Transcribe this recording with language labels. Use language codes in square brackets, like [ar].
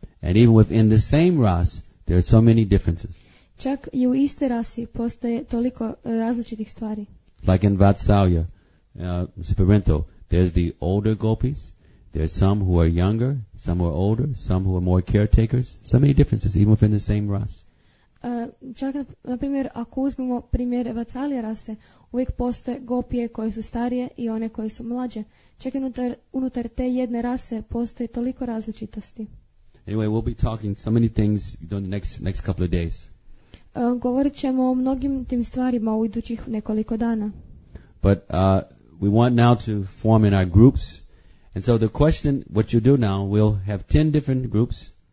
[en] And even within the same ras, there are so many differences. [hr] Čak i u istoj rasi postoje toliko različitih stvari. [en] Like in Vatsalya, Sparento, there's the older gopis, there's some who are younger, some who are older, some who are more caretakers. So many differences, even within the same rasa. [hr] čak na primjer ako uzmemo primjer Vatsalya rase, uvijek postoje gopije koje su starije i one koje su mlađe. Čak i unutar te jedne rase postoje toliko različitosti. [en] Anyway, we'll be talking so many things during the next couple of days. [hr] Govorit ćemo o mnogim tim stvarima u idućih nekoliko dana. [en] But we want now to form in our groups. And so the question, what you do now, we'll have 10 different groups.